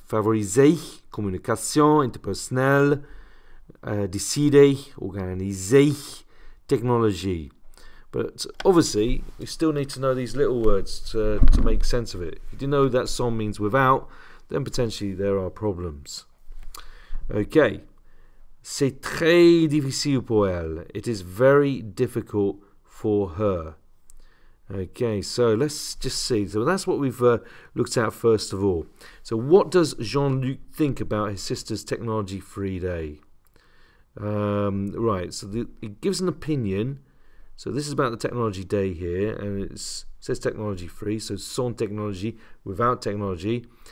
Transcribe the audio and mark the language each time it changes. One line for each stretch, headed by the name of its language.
French: Favoriser, communication, interpersonnelle, décider, organiser, technologie.
English: But obviously, we still need to know these little words to make sense of it. If you know that song means without, then potentially there are problems. Okay.
French: C'est très difficile pour elle.
English: It is very difficult for her. Okay, so let's just see. So that's what we've looked at first of all. So what does Jean-Luc think about his sister's technology-free day? Right, so it gives an opinion. So this is about the technology day here, and it's, it says technology free, so sans technology, without technology.